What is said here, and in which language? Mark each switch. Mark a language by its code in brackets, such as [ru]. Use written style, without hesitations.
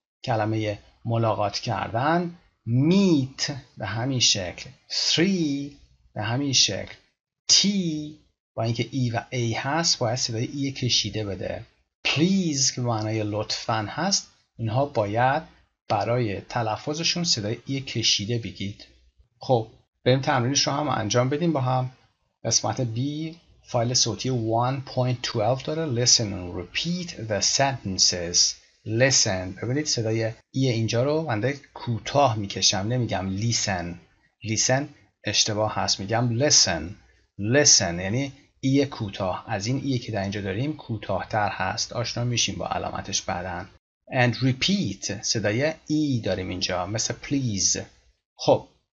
[fa] کلمه ملاقات کردن meet به همین شکل، three به همین شکل، t با اینکه e و a هست باید صدای e کشیده بده. Please که معنای لطفاً هست، اینها باید برای تلفظشون صدای e کشیده بگید. خب بریم تمرینش رو هم انجام بدیم با هم. قسمت B فایل صوتی 1.12 داره. [en] Listen and repeat the sentences. Listen. [fa] ببینید صدای ای اینجا رو بنده کوتاه میکشم. نمیگم listen. Listen اشتباه هست. میگم listen. Listen یعنی ای کوتاه. از این ای که در اینجا داریم کوتاه تر هست. آشنا میشیم با علامتش بعدن. [en] And repeat. [fa] صدای ای داریم اینجا. مثل please. خب.